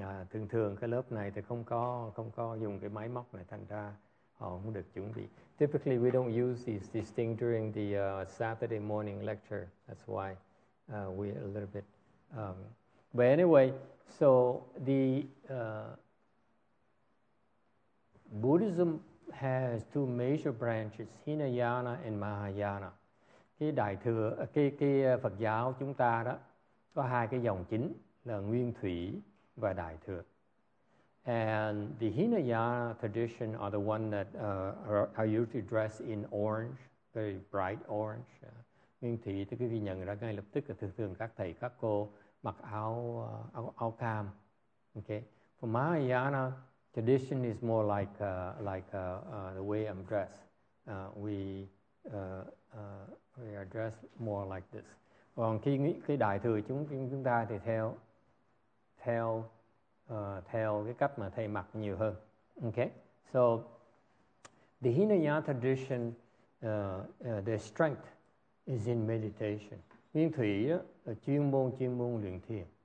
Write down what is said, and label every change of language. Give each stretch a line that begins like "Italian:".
Vietnamese: Thường thường cái lớp này thì không có dùng cái máy móc này, thành ra họ không được chuẩn bị.
English: Typically we don't use this thing during the Saturday morning lecture. That's why we're a little bit. But anyway, so the Buddhism has two major branches, Hinayana and Mahayana.
Vietnamese: Cái đại thừa, cái Phật giáo chúng ta đó có hai cái dòng chính là Nguyên Thủy và Đại Thừa.
English: And the Hinayana tradition are the one that are usually dressed in orange, very bright orange.
Vietnamese: Nguyên Thủy thì quý vị nhận ra ngay lập tức là thường thường các thầy, các cô mặc áo cam.
English: Okay. For Mahayana, tradition is more like the way I'm dressed. We are dressed more like this.
Vietnamese: Còn khi Đại Thừa chúng ta thì theo cái cách mà thầy mặc nhiều hơn.
English: Okay, so the Hinayana tradition, their strength is in meditation.
Vietnamese: Nguyên Thủy là chuyên môn luyện thiền.